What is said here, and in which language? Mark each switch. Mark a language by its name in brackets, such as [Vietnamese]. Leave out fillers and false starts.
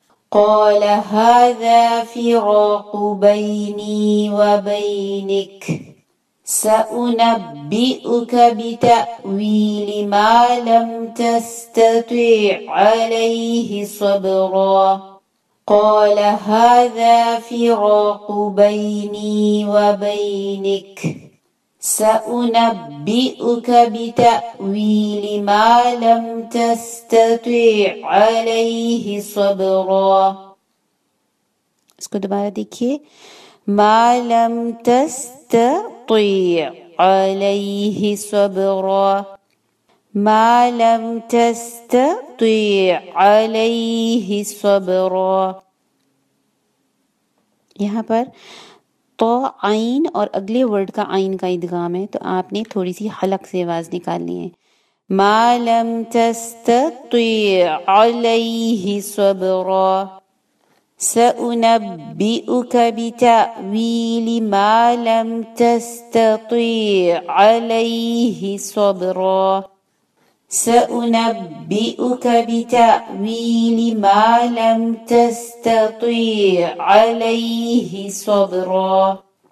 [Arabic] قال هذا فراق بيني وبينك سأنبئك بتأويل ما لم تستطع عليه صبرا قال هذا فراق بيني وبينك سأنبئك بتأويل ما لم تستطع عليه صبرا اسكت بعدك ما لم تستطع عليه صبرا ما لم تستطع عليه صبرا [Urdu] یہاں پر تو عین اور اگلے ورڈ کا عین کا ادغام ہے تو آپ نے تھوڑی سی حلق سے آواز نکالنی ہے [Arabic] ما لم تستطع عليه صبرا [Urdu] سأنبئك بتأويل ما لم تستطع عليه صبرا [Arabic] سأنبئك بتأويل ما لم تستطع عليه صبرا